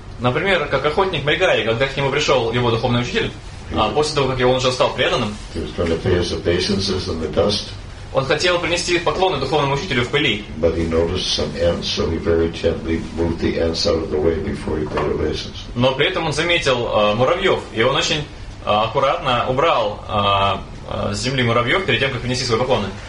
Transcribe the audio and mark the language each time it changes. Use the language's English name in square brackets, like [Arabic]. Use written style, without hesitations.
[Russian] Например, как охотник Мригари, когда к нему пришел его духовный учитель, после того, как он уже стал преданным, [English] he was going to pay his obeisances in the dust. [Russian] Он хотел принести поклоны духовному учителю в пыли. [English] But he noticed some ants, so he very gently moved the ants out of the way before he paid obeisances. [Russian] Но при этом он заметил муравьев, и он очень аккуратно убрал с земли муравьев перед тем, как принести свои поклоны.